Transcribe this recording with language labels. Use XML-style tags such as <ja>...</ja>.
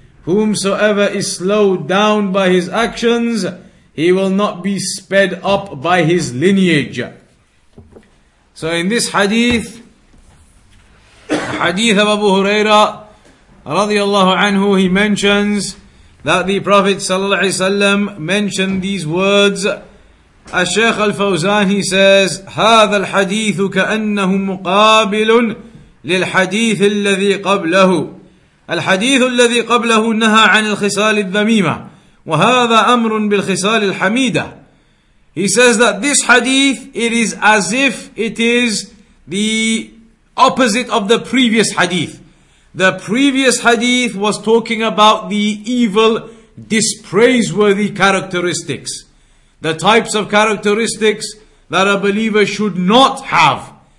<en>Whomsoever is slowed down by his actions, he will not be sped up by his lineage. So in this hadith, the hadith of Abu Huraira radiallahu anhu, he mentions that the Prophet sallallahu alayhi wa sallam mentioned these words. Al-Shaykh al-Fawzan, he says,</en> <ar>هذا الحديث كأنه مقابل للحديث الذي قبله. الحديث الذي قبله نهى عن الخصال الذميمة وهذا أمر بالخصال الحميدة.</ar> <en>He says that this hadith, it is as if it is the opposite of the previous hadith. The previous hadith was talking about the evil, dispraiseworthy characteristics, the types of characteristics that a believer should not have.</en>